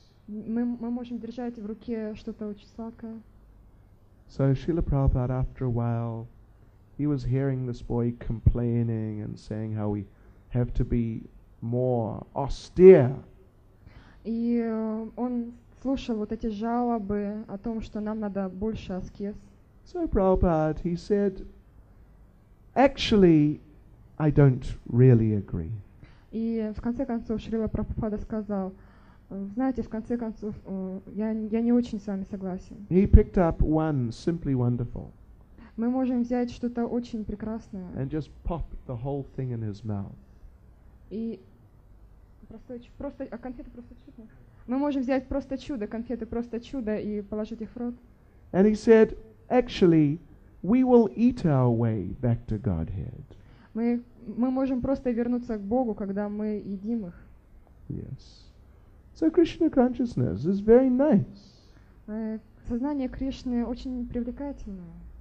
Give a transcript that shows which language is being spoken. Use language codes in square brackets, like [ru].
[ru] Мы можем держать в руке что-то очень сладкое. [en] So Srila Prabhupada, after a while, he was hearing this boy complaining and saying how we have to be more austere. [ru] И он слушал вот эти жалобы о том, что нам надо больше аскез. [en] So Prabhupada, he said, actually, I don't really agree. [ru] И в конце концов Шрила Прабхупада сказал, знаете, в конце концов, я не очень с вами согласен. [en] He picked up one simply wonderful. [ru] Мы можем взять что-то очень прекрасное. [en] And just pop the whole thing in his mouth. [ru] И просто конфеты просто чудо. Мы можем взять просто чудо, конфеты просто чудо и положить их в рот. [en] And he said, actually, we will eat our way back to Godhead. [ru] Мы можем просто вернуться к Богу, когда мы едим их. [en] Yes. So Krishna consciousness is very nice. [ru] Сознание Кришны очень привлекательное.